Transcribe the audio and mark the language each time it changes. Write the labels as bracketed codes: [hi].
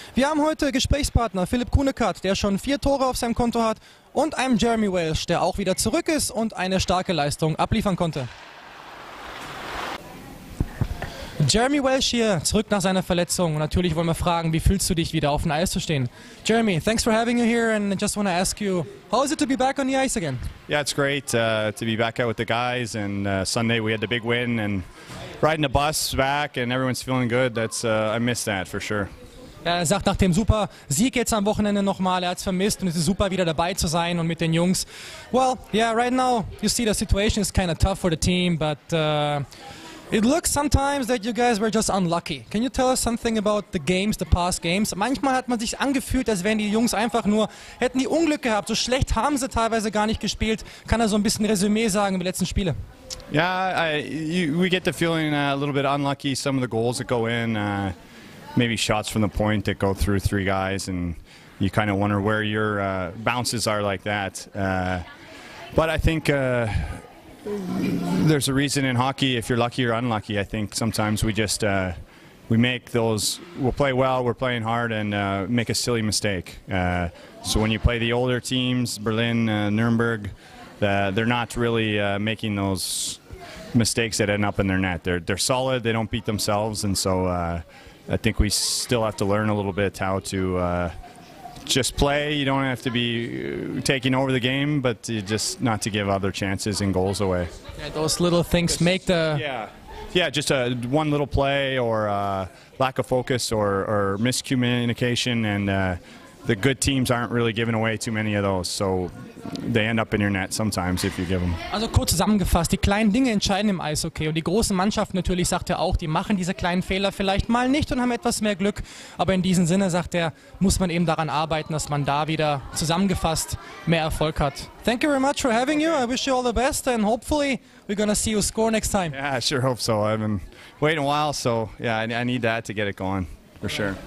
[de] Wir haben heute Gesprächspartner Philipp Kunekat, der schon 4 Tore auf seinem Konto hat, und einem Jeremy Welsh, der auch wieder zurück ist und eine starke Leistung abliefern konnte. Jeremy Welsh hier, zurück nach seiner Verletzung. Natürlich wollen wir fragen, wie fühlst du dich, wieder auf dem Eis zu stehen? [en] Jeremy, thanks for having you here, and I just want to ask you, how is it to be back on the ice again? Yeah, it's great to be back out with the guys, and Sunday we had the big win, and riding the bus back, and everyone's feeling good. I miss that for sure. [de] Er sagt nach dem super Sieg jetzt am Wochenende nochmal, er hat es vermisst und es ist super, wieder dabei zu sein und mit den Jungs. [en] Well, yeah, right now, you see, the situation is kind of tough for the team, but it looks sometimes that you guys were just unlucky. Can you tell us something about the games, the past games? [de] Manchmal hat man sich angefühlt, als wären die Jungs einfach nur, hätten die Unglück gehabt. So schlecht haben sie teilweise gar nicht gespielt. Kann er so ein bisschen Resümee sagen über die letzten Spiele? [en] Yeah, we get the feeling a little bit unlucky. Some of the goals that go in, maybe shots from the point that go through 3 guys, and you kind of wonder where your bounces are like that. But I think there's a reason in hockey if you're lucky or unlucky. I think sometimes we just we make those, we'll play well, we're playing hard, and make a silly mistake. So when you play the older teams, Berlin, Nuremberg, they're not really making those mistakes that end up in their net. They're solid, they don't beat themselves, and so I think we still have to learn a little bit how to just play. You don't have to be taking over the game, but just not to give other chances and goals away. Yeah, those little things just make the... Yeah, just one little play or lack of focus or miscommunication, and the good teams aren't really giving away too many of those, so they end up in your net sometimes if you give them. [de] Also kurz zusammengefasst, die kleinen Dinge entscheiden im Eishockey, und die großen Mannschaften, natürlich, sagt er auch, die machen diese kleinen Fehler vielleicht mal nicht und haben etwas mehr Glück, aber in diesem Sinne, sagt er, muss man eben daran arbeiten, dass man da wieder zusammengefasst mehr Erfolg hat. [en] Thank you very much for having you. I wish you all the best, and hopefully we're gonna see you score next time. Yeah, I sure hope so. I've been waiting a while, so yeah, I need that to get it going for sure.